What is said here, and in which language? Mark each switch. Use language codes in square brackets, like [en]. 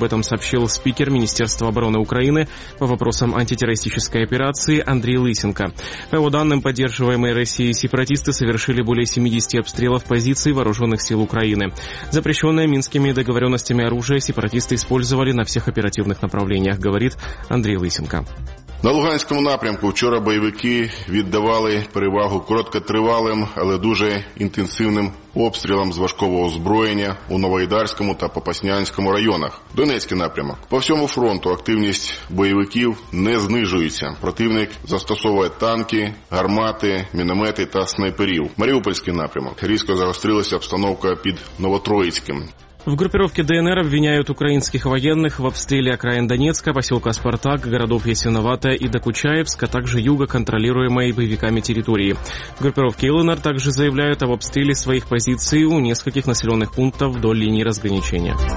[ru] Об этом сообщил спикер Министерства обороны Украины по вопросам антитеррористической операции Андрей Лысенко. По его данным, поддерживаемые Россией сепаратисты совершили более 70 обстрелов позиций вооруженных сил Украины. Запрещенное минскими договоренностями оружие сепаратисты использовали на всех оперативных направлениях, говорит Андрей Лысенко. [uk] На Луганському напрямку вчора бойовики віддавали перевагу короткотривалим, але дуже інтенсивним обстрілам з важкого озброєння у Новоайдарському та Попаснянському районах. Донецький напрямок. По всьому фронту активність бойовиків не знижується. Противник застосовує танки, гармати, міномети та снайперів. Маріупольський напрямок. Різко загострилася обстановка під Новотроїцьким. [ru] В группировке ДНР обвиняют украинских военных в обстреле окраин Донецка, поселка Спартак, городов Ясиноватая и Докучаевск, а также юга контролируемой боевиками территории. В группировке ЛНР также заявляют об обстреле своих позиций у нескольких населенных пунктов вдоль линии разграничения.